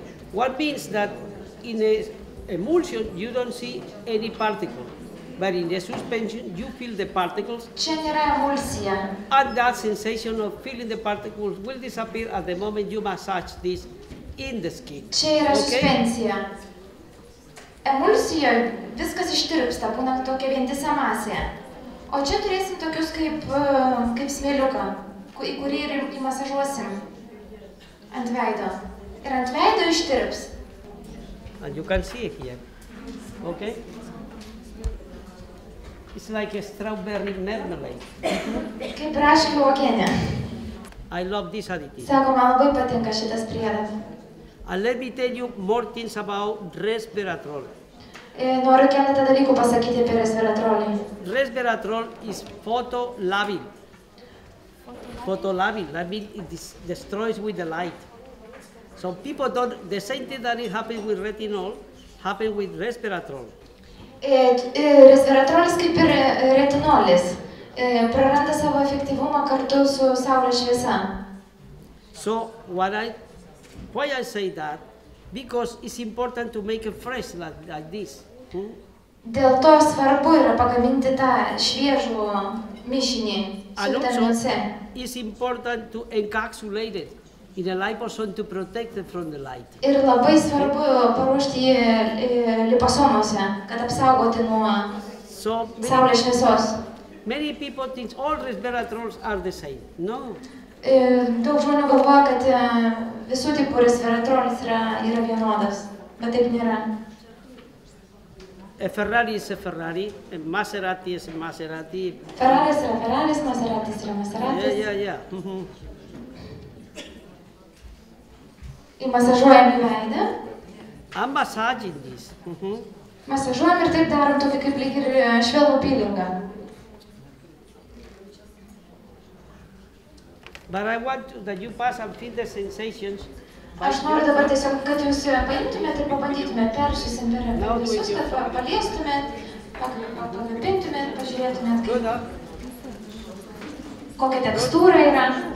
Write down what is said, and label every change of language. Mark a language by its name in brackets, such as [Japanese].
[English] What means that in a emulsion you don't see any particle, but in a suspension you feel the particles. [Lithuanian] Čia nėra emulsija. [English] And that sensation of feeling the particles will disappear at the moment you massage this in the skin. [Lithuanian] Čia yra suspensija. Emulsijoje viskas ištirpsta, būna tokia vientisa masė. O čia turėsim tokius kaip smėliuką, į kurį ir įmasažuosim ant veido. Ir ant veido ištirps. [English] And you can see it here. Okay? It's like a strawberry marmalade. [Lithuanian] Kaip braškių uogienė. [English] I love this additive. [Lithuanian] Sako, man labai patinka šitas priedas. [English] And let me tell you more things about resveratrol. [Lithuanian] Noriu keletą dalykų pasakyti apie resveratrolį. [English] Resveratrol is photolabil. Photolabil, that means it destroys with the light. So people don't, the same thing that it happens with retinol, happens with resveratrol. [Lithuanian] Resveratrolis kaip ir retinolis, praranda savo efektyvumą kartu su saulės šviesa. [English] So why I say that? Because it's important to make it fresh like this. [Lithuanian] Dėl to svarbu yra pagaminti tą šviežų mišinį su vitaminu C. [English] It's important to encapsulate it in a liposome to protect it from the light. [Lithuanian] Ir labai svarbu paruošti jį liposomose, kad apsaugoti nuo saulės šviesos. [English] Many people think all resveratrols are the same. No. [Lithuanian] Daug žmonių galvoja, kad visų tipų resveratrolis yra vienodas, bet taip nėra. [English] A Ferrari is a Ferrari, a Maserati is a Maserati. Ferrari is a Ferrari, Maserati is a Maserati. Yeah. [Lithuanian] I masažuojam į veidą. [English] I'm massaging this. [Lithuanian] Masažuojam ir taip darom tokį kaip lyg ir švelų peelingą. [English] But I want that you pass and feel the sensations. [Lithuanian] Aš noriu dabar tiesiog, kad jūs paimtumėt ir pabandytumėt, peršysim per visus, kad paliestumėt, pakvipintumėt, pažiūrėtumėt, kokia tekstūra yra.